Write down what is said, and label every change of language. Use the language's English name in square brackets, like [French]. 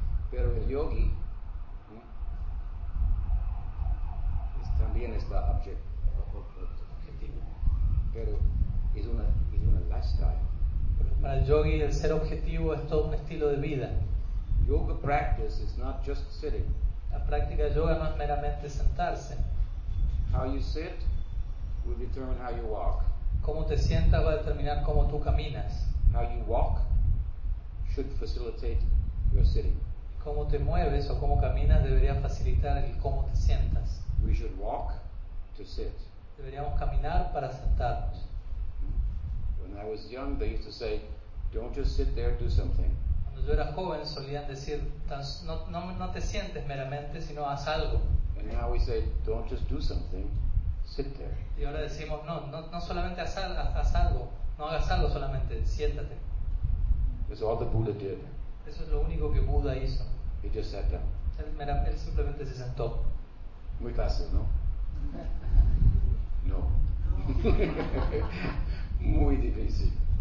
[Spanish] Pero el yogi también está objetivo. Pero es una lifestyle. Pero para el yogi el ser objetivo es todo un estilo de vida. [English] Yoga practice is not just sitting. [Spanish] La práctica de yoga no es meramente sentarse. [English] How you sit will determine how you walk. [Spanish] Cómo te sientas va a determinar cómo tú caminas. [English] How you walk should facilitate your sitting. [Spanish] Cómo te mueves o cómo caminas debería facilitar el cómo te sientas. [English] We should walk to sit. [Spanish] Deberíamos caminar para sentarnos. [English] When I was young, they used to say, "Don't just sit there, do something." [Spanish] Cuando yo era joven, solían decir, no te sientes meramente, sino haz algo. [English] And now we say, "Don't just do something, sit there." [Spanish] Y ahora decimos, no solamente haz algo, no hagas algo solamente, siéntate. [English] That's all the Buddha did. [Spanish] Eso es lo único que Buda hizo. [English] He just sat down. [Spanish] Él simplemente se sentó. Muy fácil, ¿no? No. Muy difícil.